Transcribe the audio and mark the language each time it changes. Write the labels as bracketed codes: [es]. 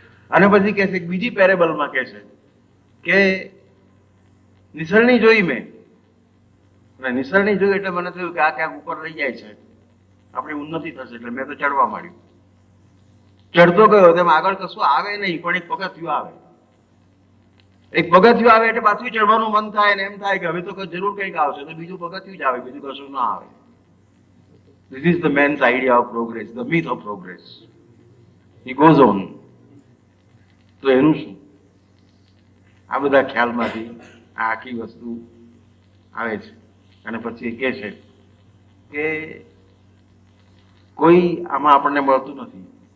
[gu] અને પછી કહે છે બીજી પેરેબલમાં કહે છે કે નિસરણી જોઈ મેં, અને નિસરણી જોઈ એટલે મને થયું કે આ ક્યાંક ઉપર રહી જાય છે, આપણી ઉન્નતિ થશે, એટલે મેં તો ચડવા માંડ્યું. ચડતો ગયો તેમ આગળ કશું આવે નહીં, પણ એક પગથિયું આવે, એક પગથિયું આવે એટલે પાછું ચડવાનું મન થાય, અને એમ થાય કે હવે તો જરૂર કંઈક આવશે, તો બીજું પગથિયું જ આવે, બીજું કશું ના આવે. [en] This is the man's idea of progress, the myth of progress. He goes on. [gu] તો એનું શું આ બધા ખ્યાલમાંથી આ આખી વસ્તુ આવે છે. અને પછી એ કહે છે કે કોઈ આમાં આપણને મળતું નથી.